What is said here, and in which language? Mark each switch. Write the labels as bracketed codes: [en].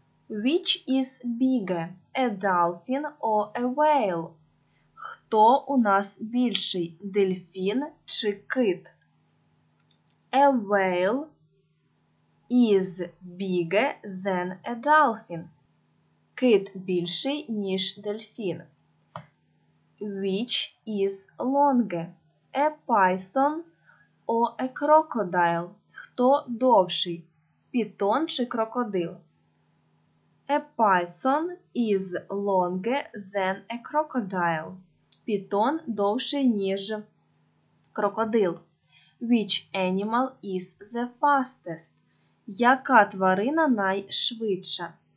[en] Which is bigger, a dolphin or a whale? [uk] Хто у нас більший, дельфін чи кит? [en] A whale is bigger than a dolphin. [uk] Кит більший, ніж дельфін. [en] Which is longer, a python or a crocodile? [uk] Хто довший, пітон чи крокодил? [en] A python is longer than a crocodile. [uk] Пітон довший, ніж крокодил. [en] Which animal is the fastest? [uk] Яка тварина найшвидша?